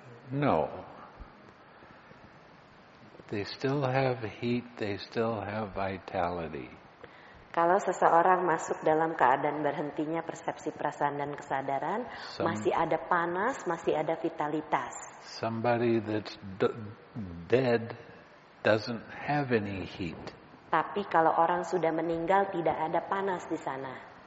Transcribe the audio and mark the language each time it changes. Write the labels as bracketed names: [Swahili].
[English] No. They still have heat, they still have vitality. [Indonesian] Kalau seseorang masuk dalam keadaan berhentinya persepsi, perasaan dan kesadaran, masih ada panas, masih ada vitalitas. [English] Somebody that's dead doesn't have any heat. [Indonesian] Tapi kalau orang sudah meninggal tidak ada panas di sana.